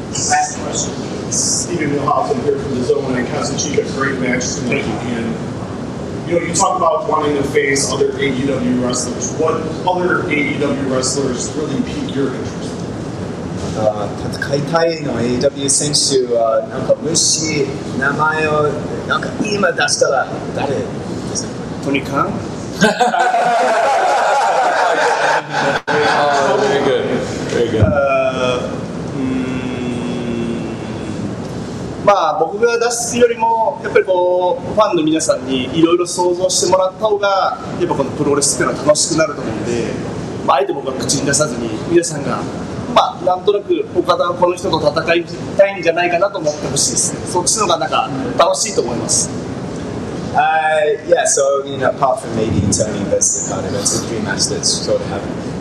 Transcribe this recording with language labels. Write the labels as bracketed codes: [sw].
[en] Last question. Steven Milhoff here from the Zone and Kazuchika. Great match. Thank you. You know, you talk about wanting to face other AEW wrestlers. What other AEW wrestlers really pique your interest? [ja] 戦いたいの AEW 選手はなんかもし名前をなんか今出したら誰ですか？トニカン？まあ僕が出すよりもやっぱりこうファンの皆さんにいろいろ想像してもらった方がやっぱこのプロレスっていうのは楽しくなると思うんで、まあ、あえて僕は口に出さずに皆さんがまあ、なんとなく岡田はこの人と戦いたいんじゃないかなと思ってほしいです。そっちの方がなんか楽しいと思います。 [en] Yeah, so you know, apart from maybe Tony versus Okada, that's a dream match that's sort of happened.